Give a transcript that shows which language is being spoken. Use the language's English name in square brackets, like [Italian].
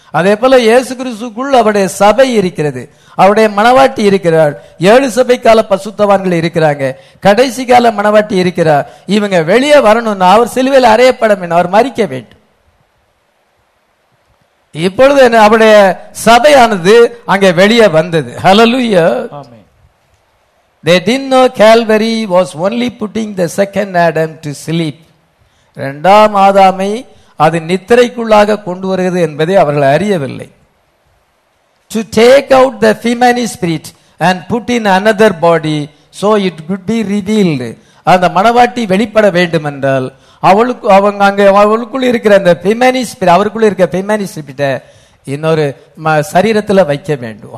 [Tamil] அதே போல இயேசு கிறிஸ்துக்குள் அவருடைய சபை இருக்கிறது, அவருடைய மனவாட்டி இருக்கிறார். 7 சபை கால பசுத்தவான்கள் இருக்கிறாங்க, கடைசி கால மனவாட்டி இருக்கிறார். இவங்க வெளியே வரணும்னா அவர் சிலுவையில் அறையப்பட வேண்டும், அவர் மறிக்க வேண்டும். இப்பொழுது அவருடைய சபையானது அங்கே வெளியே வந்தது. ஹல்லேலூயா. [English] They didn't know Calvary was only putting the second Adam to sleep. [Tamil] இரண்டாம் ஆதாமை அது நித்திரைக்குள்ளாக கொண்டு வருகிறது என்பதை அவர்கள் அறியவில்லை. [English] To take out the female spirit and put in another body so it could be revealed. [Tamil] அந்த மனவாட்டி வெளிப்பட வேண்டும் என்றால் அவளுக்கு அவங்க அங்கே அவளுக்குள் இருக்கிற அந்த பிமேனிஸ் அவருக்குள்ள இருக்க பிமேனிஸ் இன்னொரு சரீரத்துல வைக்க வேண்டும்.